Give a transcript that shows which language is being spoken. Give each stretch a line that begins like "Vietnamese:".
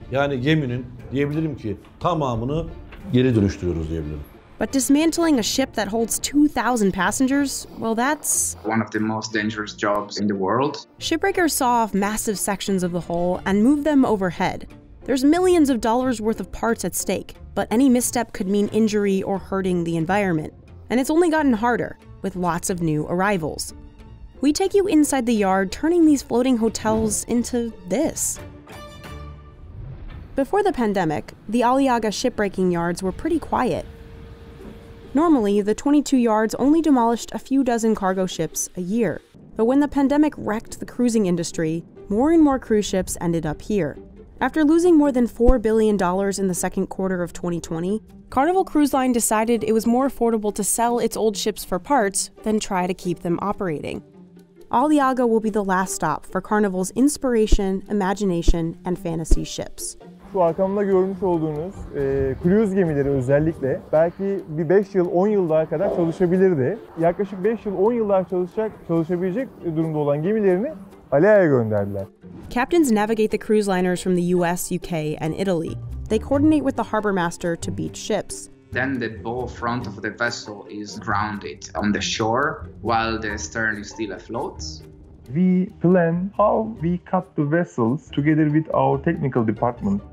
Turkish: Yani geminin diyebilirim ki tamamını geri dönüştürüyoruz diyebilirim.
English: But dismantling a ship that holds 2,000 passengers, well, that's one of the most dangerous jobs in the world. Shipbreakers saw off massive sections of the hull and moved them overhead. There's millions of dollars worth of parts at stake, but any misstep could mean injury or hurting the environment. And it's only gotten harder with lots of new arrivals. We take you inside the yard, turning these floating hotels into this. Before the pandemic, the Aliaga shipbreaking yards were pretty quiet. Normally, the 22 yards only demolished a few dozen cargo ships a year. But when the pandemic wrecked the cruising industry, more and more cruise ships ended up here. After losing more than $4 billion in the second quarter of 2020, Carnival Cruise Line decided it was more affordable to sell its old ships for parts than try to keep them operating. Aliaga will be the last stop for Carnival's inspiration, imagination, and fantasy ships.
Turkish: Şu arkamda görmüş olduğunuz cruise gemileri özellikle belki bir 5 yıl 10 yıl daha kadar çalışabilirdi. Yaklaşık 5 yıl 10 yıl daha çalışabilecek durumda olan gemilerini Aliaga'ya gönderdiler.
English: Captains navigate the cruise liners from the US, UK, and Italy. They coordinate with the harbor master to beach ships. Then the bow front of the vessel is grounded on the shore while the stern is still afloat. We plan how we cut the vessels together with our technical department.